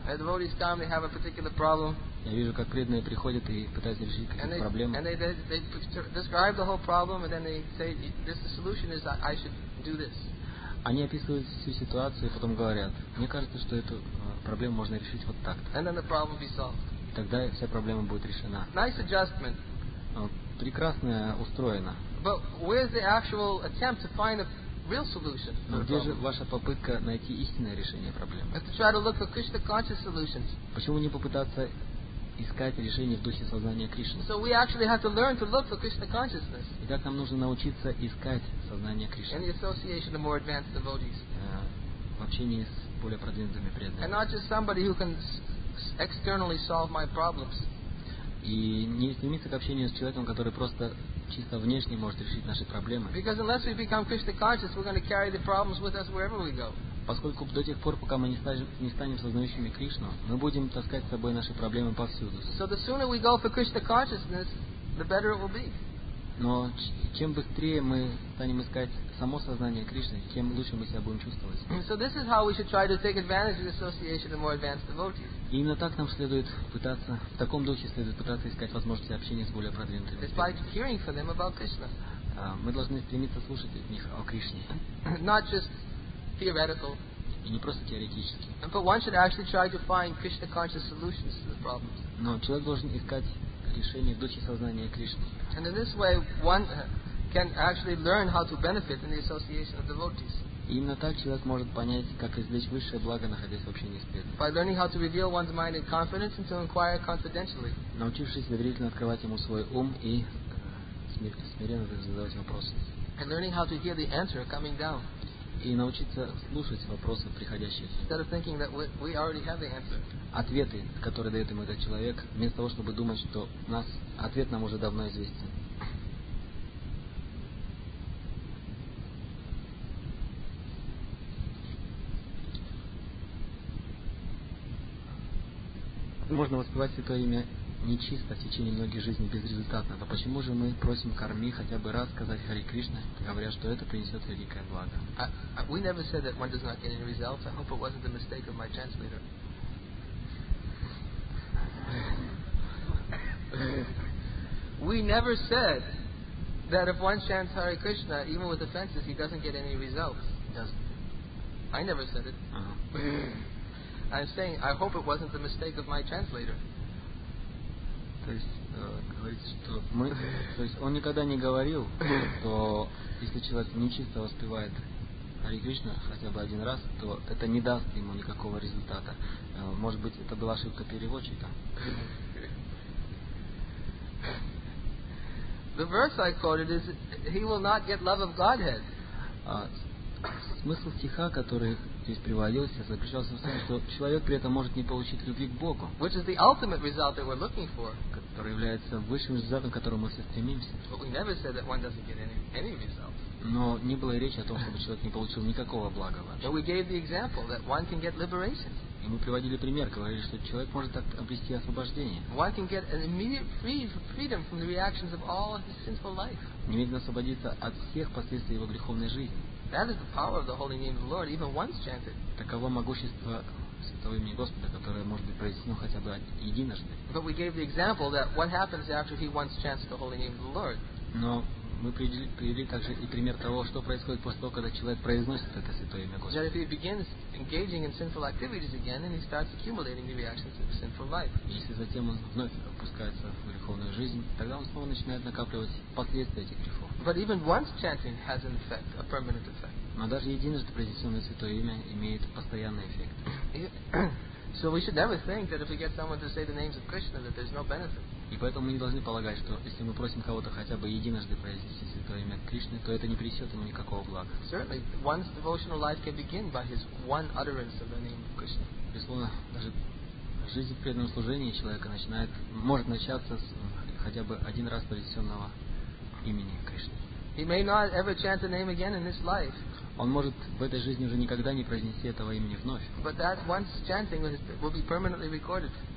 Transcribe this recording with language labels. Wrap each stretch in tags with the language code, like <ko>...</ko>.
<en>The devotees come, they have a particular problem.</en> <ru>Я вижу, как преданные приходят и пытаются решить какие-то проблемы.</ru> <en>And they describe the whole problem, and then they say, this the solution is that I should do this.</en> <ru>Они описывают всю ситуацию и потом говорят, мне кажется, что эту проблему можно решить вот так.</ru> <en>And then the problem will be solved.</en> <ru>И тогда вся проблема будет решена.</ru> <en>Nice adjustment.</en> <ru>Прекрасно устроено.</ru> <en>But where's the actual attempt to find a real solution?</en> <ru>Но где же ваша попытка найти истинное решение проблемы?</ru> <en>To try to look for Krishna conscious solutions.</en> <ru>Почему не попытаться искать решение в духе сознания Кришны?</ru> <en>So we actually have to learn to look for Krishna consciousness.</en> <ru>Итак, нам нужно научиться искать сознание Кришны.</ru> <en>In the association of more advanced devotees.</en> <ru>В общении с более продвинутыми преданными.</ru> <en>And not just somebody who can externally solve my problems.</en> <ru>И не стремиться к общению с человеком, который просто чисто внешне может решить наши проблемы.</ru> <en>Because unless we become Krishna conscious, we're going to carry the problems with us wherever we go.</en> <ru>Поскольку до тех пор, пока мы не станем сознающими Кришну, мы будем таскать с собой наши проблемы повсюду.</ru> <en>So the sooner we go for Krishna consciousness, the better it will be.</en> <ru>Но чем быстрее мы станем искать само сознание Кришны, тем лучше мы себя будем чувствовать.</ru> <en>So this is how we should try to take advantage of the association of more advanced devotees.</en> <ru>И именно так нам следует пытаться, в таком духе следует пытаться искать возможности общения с более продвинутыми.</ru> <en>It's by hearing from them about Krishna.</en> <ru>Мы должны стремиться слушать от них о Кришне.</ru> <en>Not just theoretical.</en> <ru>И не просто теоретически.</ru> <en>But one should actually try to find Krishna conscious solutions to the problems.</en> <ru>Но человек должен искать решение в духе сознания Кришны.</ru> <en>And in this way, one can actually learn how to benefit in the association of devotees.</en> <ru>Именно так человек может понять, как извлечь высшее благо, находясь в общении с преданными.</ru> <en>By learning how to reveal one's mind in confidence and to inquire confidentially.</en> <ru>Научившись доверительно открывать ему свой ум и смиренно задавать вопросы.</ru> <en>And learning how to hear the answer coming down.</en> <ru>И научиться слушать вопросы приходящие.</ru> <en>Instead of thinking that we already have the answer.</en> <ru>Ответы, которые дает ему этот человек, вместо того, чтобы думать, что нас ответ нам уже давно известен. Можно воспевать святое имя нечисто в течение многих жизней безрезультатно. Но почему же мы просим карми хотя бы раз сказать Хари Кришна, говоря, что это принесет великое благо?</ru> <en>We never said that one does not get any results. I hope it wasn't the mistake of my translator. we never said that if one chants Hare Krishna, even with offenses, he doesn't get any results. I never said it. Uh-huh. I'm saying, I hope it wasn't the mistake of my translator.</en> <ru>То есть он никогда не говорил, что если человек нечисто воспевает Хари Кришна хотя бы один раз, то это не даст ему никакого результата. Может быть, это была ошибка переводчика.</ru> <en>The verse I quoted is he will not get love of Godhead.</en> <ru>Смысл стиха, который здесь приводился, заключался в том, что человек при этом может не получить любви к Богу,</ru> <en>which is the ultimate result that we're looking for,</en> <ru>который является высшим результатом, к которому мы все стремимся.</ru> <en>But we never said that one doesn't get any results.</en> <ru>Но не было речи о том, чтобы человек не получил никакого блага вообще.</ru> <en>But we gave the example that one can get liberation.</en> <ru>И мы приводили пример, говорили, что человек может так обрести освобождение.</ru> <en>One can get an immediate freedom from the reactions of all of his sinful life.</en> <ru>Немедленно освободиться от всех последствий его греховной жизни.</ru> <en>That is the power of the holy name of the Lord, even once chanted.</en> <ru>Таково могущество святого имени Господа, которое может быть произнесено хотя бы единожды.</ru> <en>But we gave the example that what happens after he once chants the holy name of the Lord.</en> <ru>Но мы привели также и пример того, что происходит после того, когда человек произносит это святое имя Господа.</ru> <en>That if he begins engaging in sinful activities again, then he starts accumulating the reactions of sinful life.</en> <ru>Если затем он вновь опускается в греховную жизнь, тогда он снова начинает накапливать последствия этих грехов.</ru> <en>But even once chanting has an effect, a permanent effect.</en> <ru>Но даже единожды произнесенное святое имя имеет постоянный эффект.</ru> <en>So we should never think that if we get someone to say the names of Krishna, that there's no benefit.</en> <ru>И поэтому мы не должны полагать, что если мы просим кого-то хотя бы единожды произнести святое имя Кришны, то это не принесет ему никакого блага.</ru> <en>Certainly, one's devotional life can begin by his one utterance of the name of Krishna.</en> <ru>Безусловно, даже жизнь в преданном служении человека может начаться с хотя бы один раз произнесенного имени Кришны.</ru> <en>He may not ever chant the name again in this life.</en> <ru>Он может в этой жизни уже никогда не произнести этого имени вновь.</ru> <en>But that one's chanting will be permanently recorded.</en>